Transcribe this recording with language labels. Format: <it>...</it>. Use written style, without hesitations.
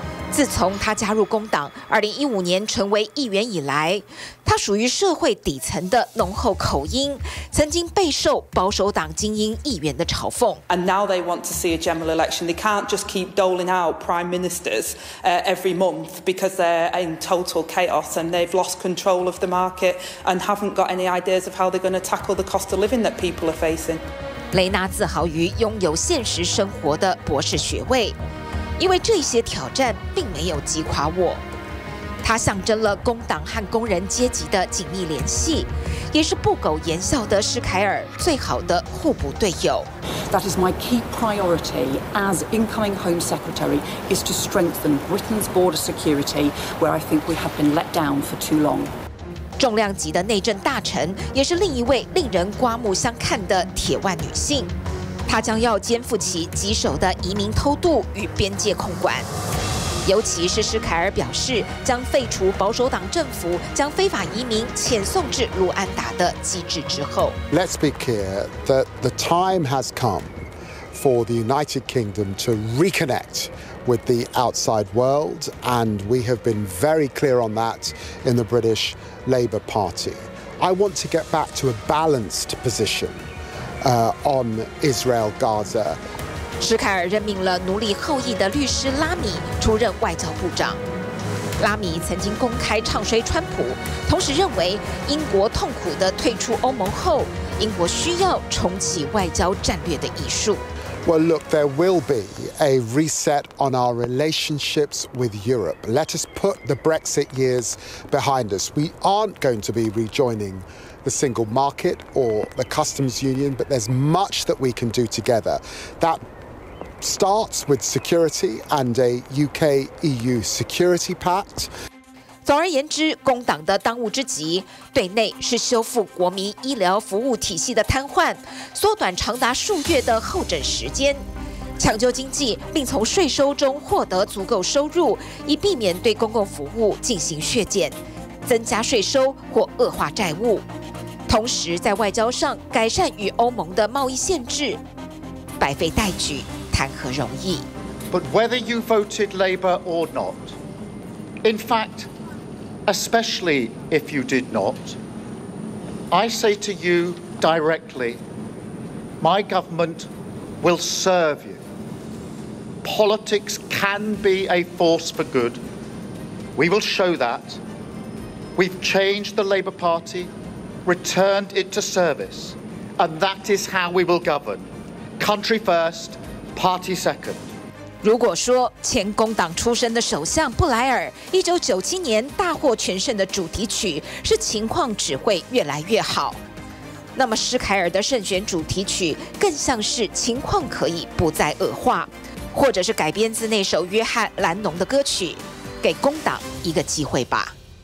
<zh>自从他加入工党2015年成为议员以来，他属于社会底层的浓厚口音曾经备受保守党精英议员的嘲讽。</zh> <en>And now they want to see a general election. They can't just keep doling out prime ministers every month because they're in total chaos and they've lost control of the market and haven't got any ideas of how they're going to tackle the cost of living that people are facing.</en> <zh>雷纳自豪于拥有现实生活的博士学位。因为这些挑战并没有击垮我，它象征了工党和工人阶级的紧密联系，也是不苟言笑的施凯尔最好的互补队友。</zh> <en>That is my key priority as incoming Home Secretary is to strengthen Britain's border security, where I think we have been let down for too long.</en> <zh>重量级的内政大臣也是另一位令人刮目相看的铁腕女性。他将要肩负起棘手的移民偷渡与边界控管，尤其是施凯尔表示将废除保守党政府将非法移民遣送至卢安达的机制之后。</zh> <en>Let's be clear that the time has come for the United Kingdom to reconnect with the outside world, and we have been very clear on that in the British Labour Party. I want to get back to a balanced position. On Israel, Gaza.</en> <zh>施凯尔任命了奴隶后裔的律师拉米出任外交部长。拉米曾经公开唱衰川普，同时认为英国痛苦地退出欧盟后，英国需要重启外交战略的艺术。</zh> <en>Well, look, there will be a reset on our relationships with Europe. Let us put the Brexit years behind us. We aren't going to be rejoining the single market or the customs union, but there's much that we can do together. That starts with security and a UK-EU security pact.</en> <zh>总而言之，工党的当务之急，对内是修复国民医疗服务体系的瘫痪，缩短长达数月的候诊时间，抢救经济，并从税收中获得足够收入，以避免对公共服务进行削减、增加税收或恶化债务。同时，在外交上改善与欧盟的贸易限制，百废待举，谈何容易</zh> <en>？But whether you voted Labour or not, in fact. Especially if you did not, I say to you directly, my government will serve you. Politics can be a force for good. We will show that. We've changed the Labour Party, returned it to service, and that is how we will govern. Country first, party second.</en> <zh>如果说前工党出身的首相布莱尔1997年大获全胜的主题曲是情况只会越来越好，那么施凯尔的胜选主题曲更像是情况可以不再恶化，或者是改编自那首约翰·兰农的歌曲，给工党一个机会吧。</zh>